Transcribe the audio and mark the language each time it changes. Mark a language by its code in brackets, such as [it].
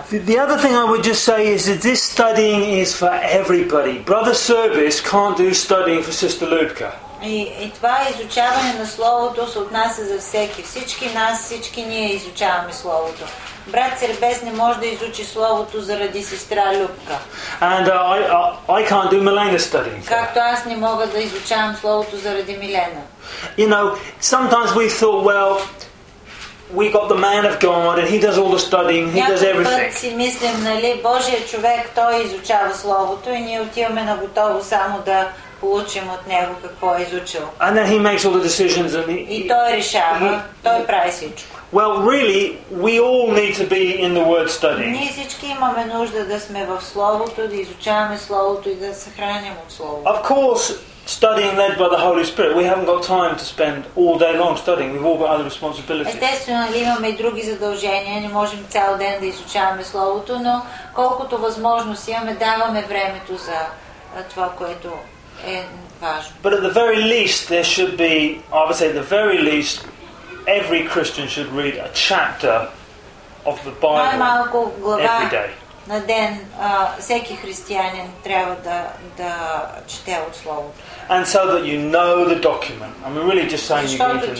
[en] The other thing I would just say is that this studying is for everybody. Brother Service can't do studying for Sister Lubka. [bg] И това изучаване на Словото се отнася за всеки. Всички нас, всички ние изучаваме Словото. Брат Сербес не може да изучи Словото заради сестра Любка. [en] And I can't do Milena studying. [bg] Както аз не мога да изучавам Словото заради Милена. [en] You know, sometimes we thought, well, we got the man of God and he does all the studying, he does everything. [bg] Някой път си мислим, нали, Божия човек, той изучава Словото и ние отиваме на готово само да получим от него какво е изучил. [en] And then he makes all the decisions and he... [bg] И той решава, той прави всичко. [en] Well, really, we all need to be in the Word studying. [bg] Ние всички имаме нужда да сме в Словото, да изучаваме Словото и да съхраним от Словото. [en] Of course, studying led by the Holy Spirit. We haven't got time to spend all day long studying. We've all got other responsibilities. [bg] Естествено, имаме и други задължения. Не можем цял ден да изучаваме Словото, но колкото възможност имаме, даваме времето за това, което е важно. [en] But at the very least, there should be, I would say, at the very least, every Christian should read a chapter of the Bible every day. [bg] На ден всеки християнин трябва да чете от Словото. [en] And so that you know the document. I'm really just saying you need to know the document.